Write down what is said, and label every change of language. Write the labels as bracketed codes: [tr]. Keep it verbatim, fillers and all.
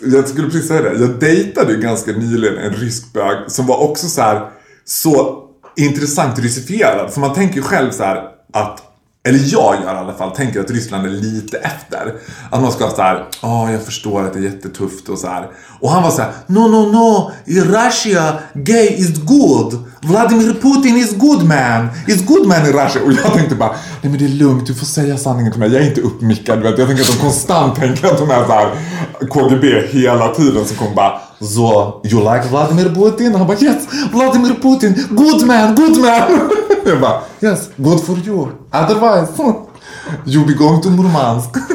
[sv] Jag skulle precis säga det. Jag dejtade ju ganska nyligen en rysk bög som var också så här så intressant russifierad. För man tänker ju själv så här att, eller jag gör i alla fall, tänker att Ryssland är lite efter. Att man ska ha så här, ja jag förstår att det är jättetufft och så här. Och han var så här, [en] no no no, in Russia gay is good. Vladimir Putin is good man. Is good man in Russia. [sv] Och jag tänkte bara, nej men det är lugnt, du får säga sanningen till mig. Jag är inte uppmickad, du vet. Jag tänker att de konstant tänker att de är så här K G B hela tiden. Så kommer bara, [en] so you like Vladimir Putin? [sv] Han bara, [en] yes, Vladimir Putin, good man, good man. [sv] Jag bara, [en] yes, good for you. Otherwise, you be going to Murmansk.